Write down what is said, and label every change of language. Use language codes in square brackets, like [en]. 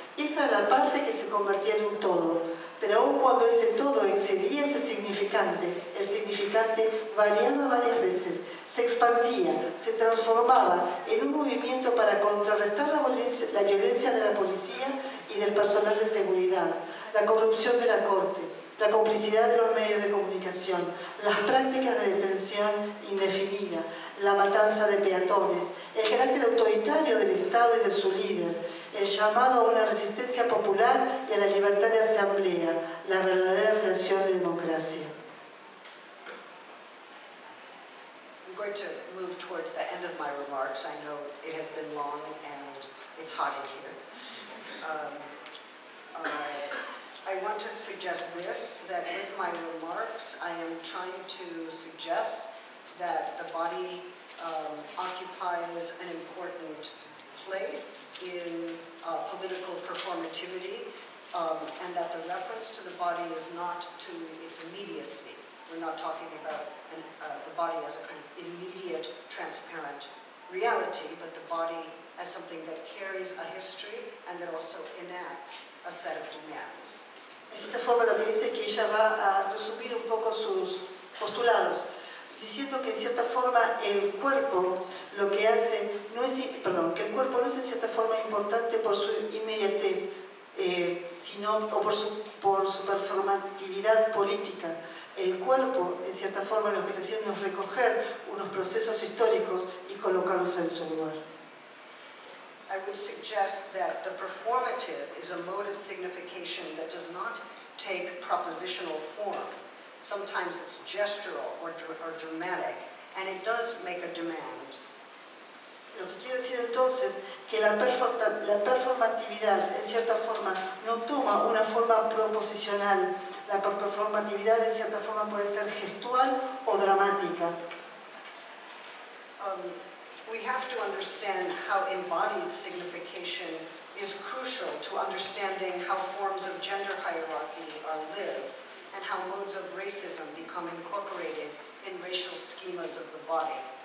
[es] Esa era la parte que se convertía en un todo, pero aun cuando ese todo excedía ese significante, el significante variaba varias veces, se expandía, se transformaba en un movimiento para contrarrestar la violencia de la policía y del personal de seguridad, la corrupción de la corte, la complicidad de los medios de comunicación, las prácticas de detención indefinida, la matanza de peatones, el carácter autoritario del Estado y de su líder, el llamado a una resistencia popular y a la libertad de asamblea, la verdadera relación de democracia. [en] I'm going to move towards the end of my remarks. I know it has been long and it's hot in here. I want to suggest this, that with my remarks, I am trying to suggest that the body occupies an important place in political performativity, and that the reference to the body is not to its immediacy. We're not talking about the body as a kind of immediate, transparent reality, but the body as something that carries a history and that also enacts a set of demands. [es] Es esta forma lo que dice que ella va a resumir un poco sus postulados, diciendo que en cierta forma el cuerpo lo que hace no es, perdón, que el cuerpo no es en cierta forma importante por su inmediatez, sino o por su performatividad política. El cuerpo, en cierta forma, lo que está haciendo es recoger unos procesos históricos y colocarlos en su lugar. [en] I would suggest that the performative is a mode of signification that does not take propositional form. Sometimes it's gestural or dramatic, and it does make a demand. [es] Lo que quiero decir entonces que la performatividad, en cierta forma, no toma una forma proposicional. La performatividad, en cierta forma, puede ser gestual o dramática. [en] We have to understand how embodied signification is crucial to understanding how forms of gender hierarchy are lived and how modes of racism become incorporated in racial schemas of the body.